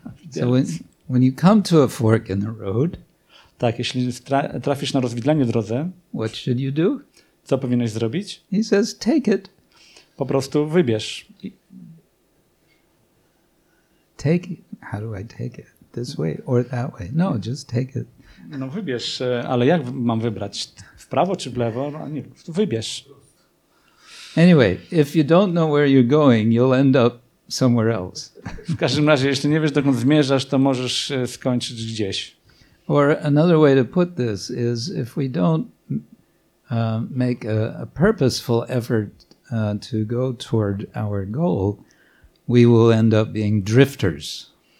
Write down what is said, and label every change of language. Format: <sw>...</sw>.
<en>So when you come to a fork in the road,</en> <pl>tak, jeśli trafisz na rozwidlenie w drodze,</pl> <en>what should you do?</en> <pl>Co powinieneś zrobić?</pl> <en>He says, take it.</en> <pl>Po prostu wybierz.</pl> <en>Take it. How do I take it? This way or that way? No, just take it.</en> <pl>No wybierz, ale jak mam wybrać? W prawo czy w lewo? No, nie, wybierz.</pl> <en>Anyway, if you don't know where you're going, you'll end up somewhere else.</en> <pl>W każdym razie, jeśli nie wiesz, dokąd zmierzasz, to możesz skończyć gdzieś.</pl> <en>Or another way to put this is, if we don't make a purposeful effort to go toward our goal, we will end up being drifters.</en>